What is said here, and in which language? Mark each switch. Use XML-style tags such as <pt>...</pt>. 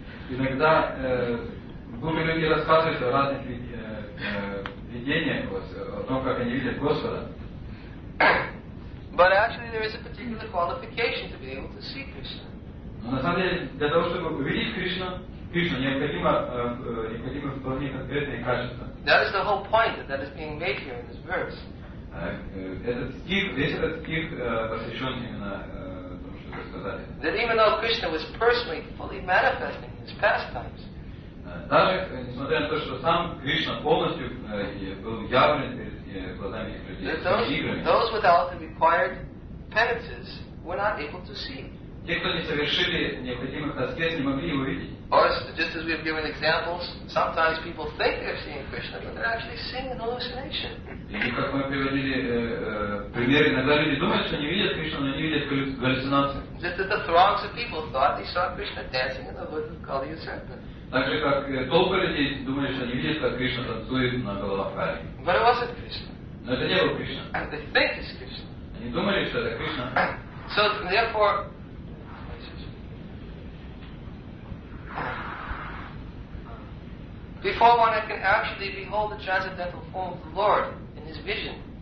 <ru>Иногда глупые люди рассказывают о разных видениях, о том, как они видят Господа.</ru> <en>But actually there is a particular qualification to be able to see Krishna.</en> <ru>Но на самом деле, для того, чтобы увидеть Кришну, необходимо вполне конкретные качества.</ru> <en>That is the whole point that is being made here in this verse.</en> <ru>Этот стих, весь этот стих посвящен именно тому, что вы сказали.</ru> <en>That even though Krishna was personally fully manifesting pastimes.</en> <ru>Даже несмотря на то, что сам Кришна полностью был явлен перед глазами людей,</ru> <en>those without the required penances were not able to see.</en> <ru>Те, кто не совершили необходимых аскез, не могли его видеть.</ru> <en>Or just as we have given examples, sometimes people think they're seeing Krishna, but they're actually seeing an hallucination.</en> <ru>И как мы приводили примеры, иногда люди думают, что они видят Кришну, но они видят галлюцинации.</ru> <en>Just as the throngs of people thought they saw Krishna dancing in the hood of Kali serpent.</en> <ru>Так же, как толпы людей думали, что они видят, как Кришна танцует на головах Кали.</ru> <en>But it wasn't Krishna.</en> <ru>Но это не был Кришна.</ru> <en>And they think it's Krishna.</en> <ru>Они думали, что это Кришна.</ru> <en>So therefore, before one can actually behold the transcendental form of the Lord in his vision,</en>